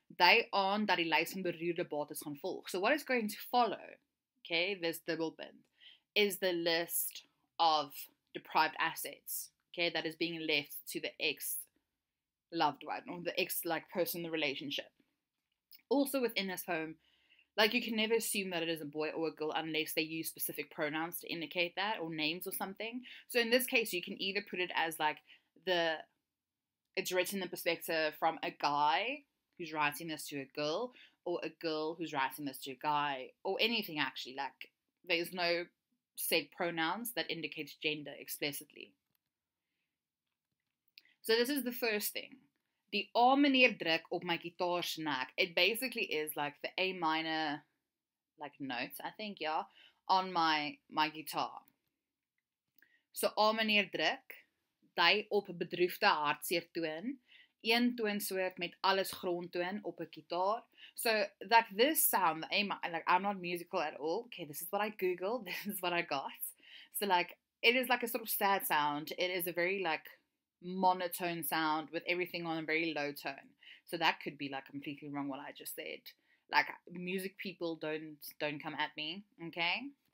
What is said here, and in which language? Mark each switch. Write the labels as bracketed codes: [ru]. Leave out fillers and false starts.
[af] Dui aan dat die lys van beroerde bates gaan volg. [en] So what is going to follow, okay, this dubbelpunt, is the list of deprived assets, okay, that is being left to the ex-loved one, or the ex-like person in the relationship. Also within this poem, like, you can never assume that it is a boy or a girl unless they use specific pronouns to indicate that, or names or something. So in this case, you can either put it as, like, it's written in the perspective from a guy, who's writing this to a girl, or a girl who's writing this to a guy, or anything actually, like, there's no said pronouns that indicates gender explicitly. So this is the first thing. The A minor [af] druk op my gitaar snak, [en] it basically is, like, the A minor, like, note, I think, yeah, on my guitar. [af] So A minor druk, dui op bedroefde hartseer toon, een toonsoort met alles grondtoon op 'n gitaar. [en] So, like, this sound, the A minor, like, I'm not musical at all. Okay, this is what I Googled, this is what I got. So, like, it is, like, a sort of sad sound. It is a very, like, monotone sound with everything on a very low tone. So that could be, like, completely wrong what I just said. Like, music people don't come at me, okay?